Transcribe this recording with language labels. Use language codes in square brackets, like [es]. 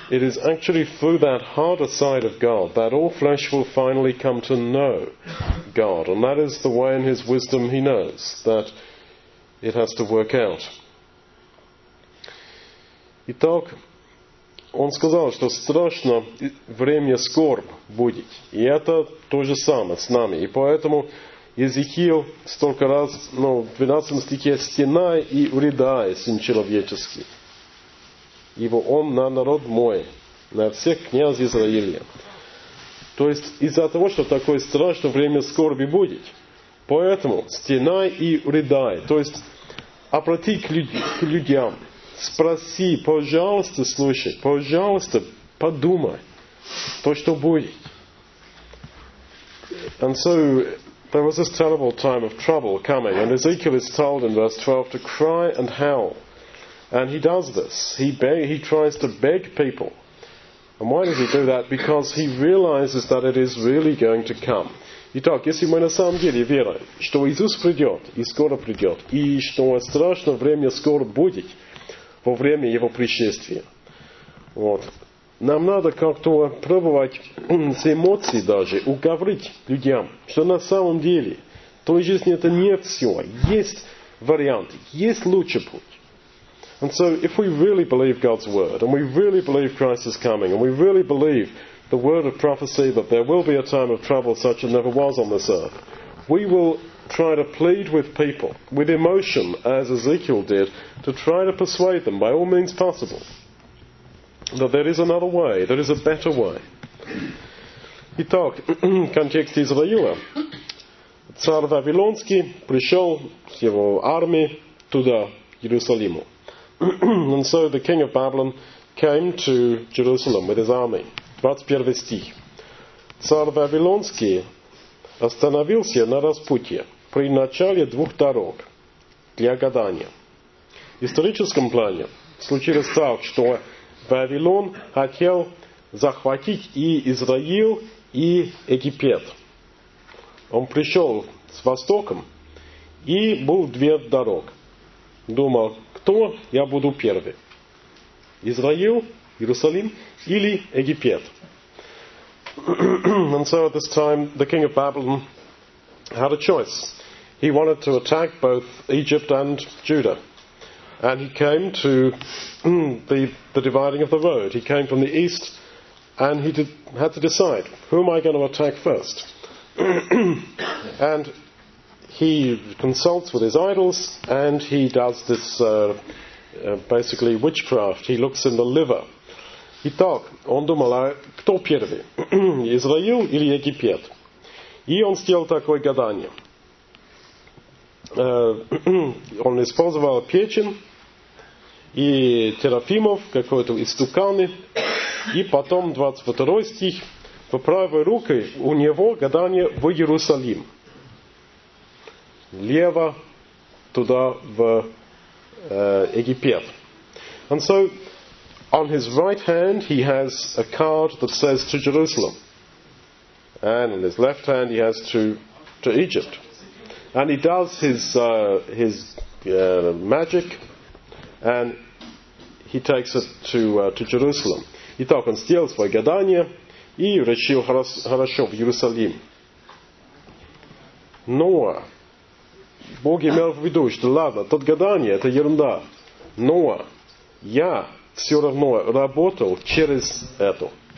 [en] It is actually through that harder side of God that all flesh will finally come to know God. And that is the way in his wisdom he knows that it has to work out. [ru] Итак, он сказал, что страшно время скорб будет. И это то же самое с нами. И поэтому Иезекиил столько раз, ну, в 12 стихе, «Стенай и вредай, сын человеческий, ибо он на народ мой, на всех князь Израиля». То есть из-за того, что такое страшное время скорби будет, поэтому «стенай и вредай», то есть обрати к людям. Спроси, пожалуйста, слушай, пожалуйста, подумай то, что будет. [en] And so there was this terrible time of trouble coming, and Ezekiel is told in verse 12 to cry and howl. And he does this. He tries to beg people. And why does he do that? Because he realizes that it is really going to come. [ru] Итак, если мы на самом деле верим, что Иисус придет, и скоро придет, и что страшное время скоро будет, во время его пришествия. Вот. Нам надо как-то пробовать с эмоцией даже, уговорить людям, что на самом деле в той жизни это не все. Есть варианты, есть лучший путь. [en] And so if we really believe God's word, and we really believe Christ is coming, and we really believe the word of prophecy that there will be a time of trouble such as never was on this earth, we will try to plead with people, with emotion, as Ezekiel did, to try to persuade them, by all means possible, that there is another way, there is a better way. [ru] Итак, контекст Израиля. Царь Вавилонский пришел с его армией туда, к Иерусалиму. [en] And so the king of Babylon came to Jerusalem with his army. [ru] 21 стих. Царь Вавилонский остановился на распутье при начале двух дорог для гадания. В историческом плане случилось так, что Вавилон хотел захватить и Израил, и Египет. Он пришел с востоком, и был две дороги. Думал, кто я буду первый? Израил, Иерусалим или Египет? [en] And so at this time, the king of Babylon had a choice. He wanted to attack both Egypt and Judah. And he came to the dividing of the road. He came from the east, and he had to decide, who am I going to attack first? And he consults with his idols, and he does this, basically, witchcraft. He looks in the liver. [ru] Итак, он думал, а кто первый, Израил или Египет? И он сделал такое гадание. Он использовал печень и терафимов, какой-то истуканы, и потом, 22 стих, по правой руке у него гадание в Иерусалим. Лево туда в Египет. [en] And so, on his right hand, he has a card that says to Jerusalem. And on his left hand, he has to Egypt. And he does his magic, and he takes it to Jerusalem. [ru] Итак, он сделал свое гадание и решил хорошо в Иерусалим. Но Бог имел в виду, что ладно, тот гадание, это ерунда. Но я все равно работал через это.